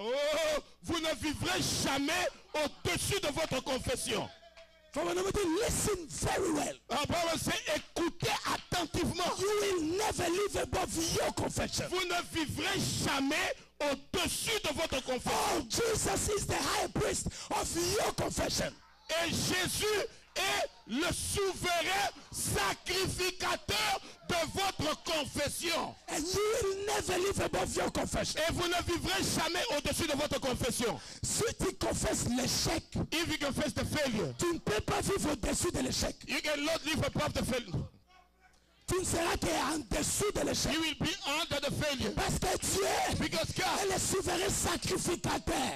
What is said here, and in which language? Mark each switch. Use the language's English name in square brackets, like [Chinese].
[French] Oh, vous ne vivrez jamais au-dessus de votre confession. [English] Listen very well. [French] Écoutez attentivement. [English] You will never live above your confession. [French] Vous ne vivrez jamais au-dessus de votre confession. [English] Oh, Jesus is the high priest of your confession. [French] Et Jésus est le souverain sacrificateur de votre confession. [English] And you will never live above your confession. [French] Et vous ne vivrez jamais au-dessus de votre confession. Si tu confesses l'échec, [English] if you confess the failure, [French] tu ne peux pas vivre au-dessus de l'échec. [English] You cannot live above the failure. [French] Tu ne seras qu'en dessous de l'échec. [English] You will be under the failure. [French] Parce que tu es le souverain sacrificateur.